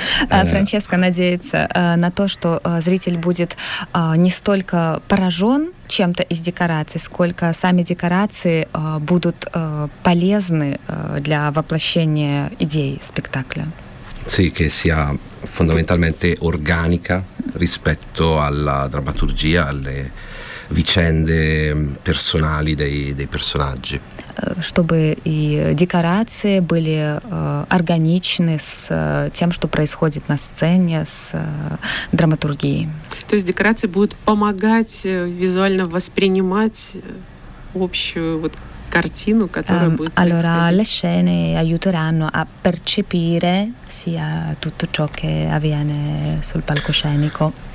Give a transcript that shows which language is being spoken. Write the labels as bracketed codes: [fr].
[ru] Франческо надеется на то, что зритель будет не столько поражен чем-то из декораций, сколько сами декорации будут полезны для воплощения идей спектакля. [it] Sì, che sia fondamentalmente organica rispetto alla drammaturgia, alle vicende personali dei personaggi. [ru] Чтобы и декорации были органичны с тем, что происходит на сцене, с драматургией. То есть декорации будут помогать визуально воспринимать общую вот картину, которая будет [it] allora, le scene aiuteranno a percepire sia tutto ciò che avviene sul palcoscenico.